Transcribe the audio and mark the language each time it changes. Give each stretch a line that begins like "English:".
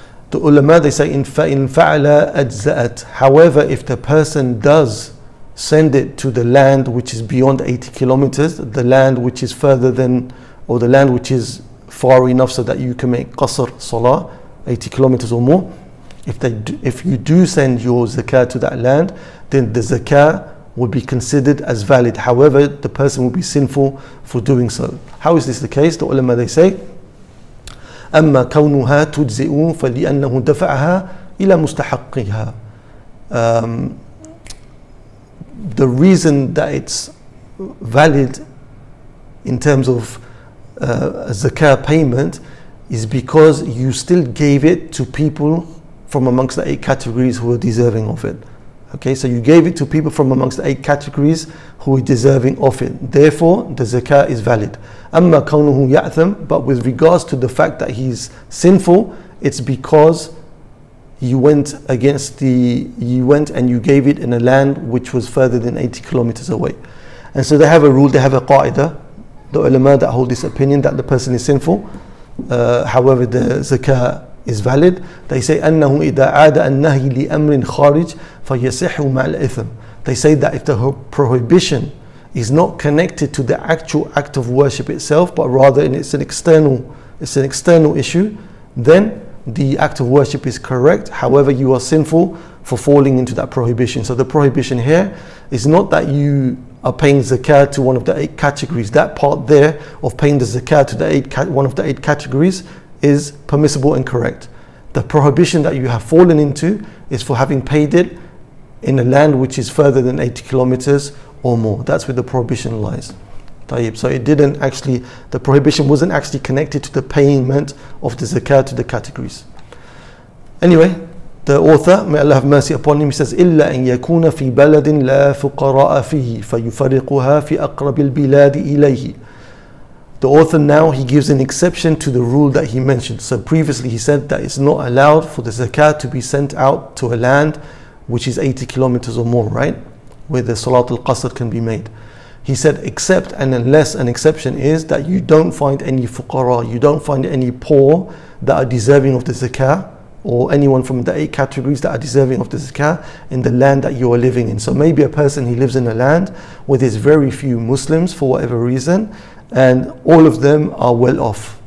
English: The ulama, they say,
Arabic: in fa'ala ajza'at.
English: However, if the person does send it to the land which is beyond 80 kilometers, the land which is further than, or the land which is far enough so that you can make qasr salah, 80 kilometers or more, if you do send your zakah to that land, then the zakah would be considered as valid. However, the person would be sinful for doing so. How is this the case? The ulama, they say,
Arabic: أما كونها تجزئ فلأنه دفعها إلى مستحقها.
English: The reason that it's valid in terms of a zakah payment is because you still gave it to people from amongst the eight categories who are deserving of it. Okay, so you gave it to people from amongst the eight categories who are deserving of it. Therefore, the zakah is valid.
Arabic: أَمَّا كَوْنُهُ يَعْثَمْ.
English: But with regards to the fact that he's sinful, it's because you went against the, you went and you gave it in a land which was further than 80 kilometers away. And so they have a rule, they have a qa'idah, the ulama that hold this opinion that the person is sinful, however the zakah is valid. They say
Arabic: أَنَّهُ إِذَا عَادَ النَّهِي لِأَمْرٍ خَارِجٍ فَيَسِحُ مَعَ الْإِثْمِ.
English: They say that if the prohibition is not connected to the actual act of worship itself, but rather it's an external, it's an external issue, then the act of worship is correct. However, you are sinful for falling into that prohibition. So the prohibition here is not that you are paying zakat to one of the eight categories. That part there of paying the zakat to the eight, one of the eight categories, is permissible and correct. The prohibition that you have fallen into is for having paid it in a land which is further than 80 kilometers or more. That's where the prohibition lies. So it didn't actually, the prohibition wasn't actually connected to the payment of the zakat to the categories. Anyway, the author, may Allah have mercy upon him, he says,
Arabic: إِلَّا أَن يَكُونَ فِي بَلَدٍ لَا فُقَرَاءَ فِيهِ فَيُفَرِّقُهَا فِي أَقْرَبِ الْبِلَادِ إِلَيْهِ.
English: The author now, he gives an exception to the rule that he mentioned. So previously he said that it's not allowed for the zakat to be sent out to a land which is 80 kilometers or more, right? Where the Salat al-Qasr can be made. He said, except and unless an exception is that you don't find any fuqara, you don't find any poor that are deserving of the zakah, or anyone from the eight categories that are deserving of the zakah in the land that you are living in. So maybe a person, he lives in a land where there's very few Muslims for whatever reason, and all of them are well off.